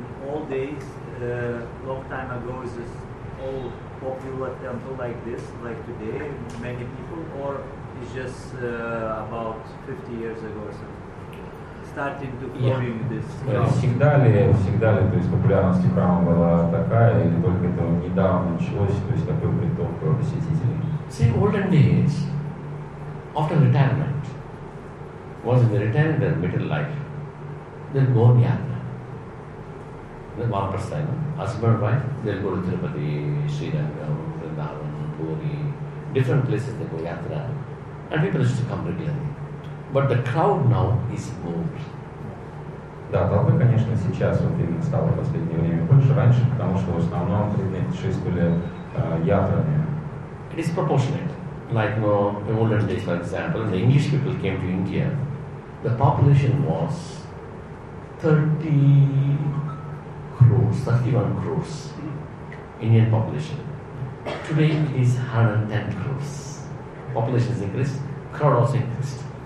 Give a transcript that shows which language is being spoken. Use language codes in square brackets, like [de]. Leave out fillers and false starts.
[en] All days, long time ago, is this all popular temple like this, like today, many people, or is just about 50 years ago or something? Starting to form this. [ru] Всегда ли, то есть популярность храма была такая, или только это недавно началось, то есть такой приток посетителей? [en] See, olden days, after retirement, was in the retirement and middle life, then go on yatra. The one person, husband, wife, they go to Tirupati, Srirangam, Vrindavan, Puri, different places they go yatra, and people used to come regularly. But the crowd now is moved. [ru] Да, толпы, конечно, сейчас вот именно стало в последнее время больше раньше, потому что в основном путешествовали ятрами. [en] It is proportionate. Like, you know, in olden days, for example, the English people came to India, the population was 31 crores, Indian population. Today it is 110 crores. Population has increased, crowd also increased.